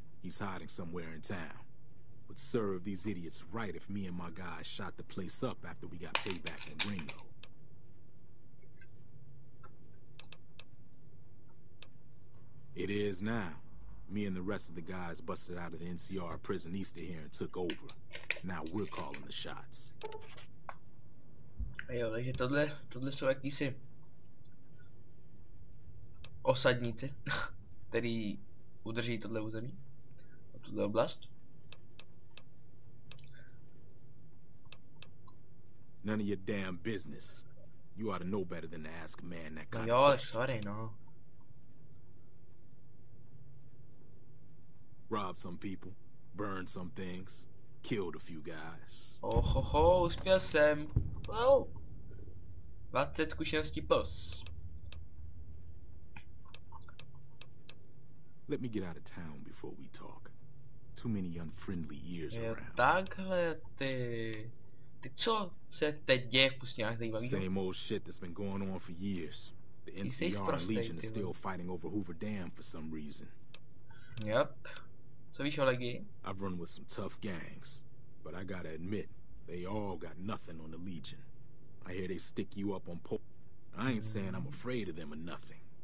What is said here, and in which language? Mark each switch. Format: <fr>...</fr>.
<en>He's hiding somewhere in town. Would serve these idiots right if me and my guys shot the place up after we got payback from Ringo. It is now. Me and the rest of the guys busted out of the NCR prison east of here and took over. Now we're calling the shots.</en> <cs>Jo, takže tohle jsou jakýsi osadníci, který udrží tohle území a tuhle oblast.</cs> <en>None of your damn business. You ought to know better than to ask a man that kind of question. Jo, sorry, no. Rob some people, burn some things, killed a few guys.</en> <cs>Oh ho ho, uspěl jsem. Wow. 20 zkušeností plus.</cs> <en>Let me get out of town before we talk. Too many unfriendly ears around.</en> <cs>Takhle ty co se teď děje v pustinách zajímavý?</cs> <en>Same old shit that's been going on for years. The NCR Legion is still fighting over Hoover Dam for some reason. Yep.</en> <cs>Co víš, Olegi?</cs> <en>I've run with some tough gangs, but I gotta admit, they all got nothing on the Legion. I hear they stick you up on pole. I ain't saying I'm afraid of them or nothing.</en>